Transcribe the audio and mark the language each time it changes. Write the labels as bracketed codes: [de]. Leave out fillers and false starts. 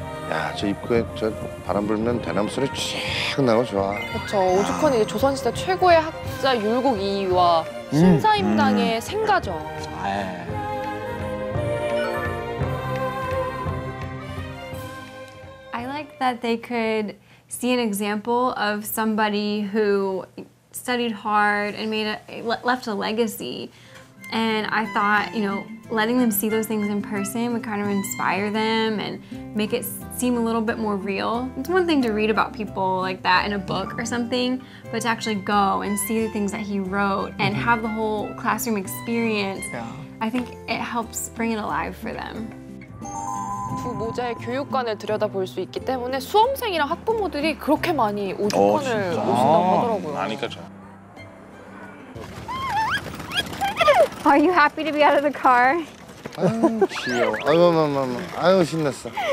[ko] 야, 저 입구에 저 바람 불면 대나무 소리 쫙 나고 좋아. 그렇죠. 오죽헌 이제 조선시대 최고의 학자 율곡 이이와 신사임당의 생가죠. [en] 아예. I like that they could see an example of somebody who studied hard and made left a legacy. And I thought, you know, letting them see those things in person would kind of inspire them and make it seem a little bit more real. It's one thing to read about people like that in a book or something, but to actually go and see the things that he wrote and have the whole classroom experience, yeah. I think it helps bring it alive for them. [ko] 두 모자의 교육관을 들여다볼 수 있기 때문에 수험생이랑 학부모들이 그렇게 많이 오죽헌을 오신다고 하더라고요. 아니, 그렇죠. [en] Are you happy to be out of the car? [ko] 아유, 귀여워. 아유, 아유, 아유, 아유, 신났어.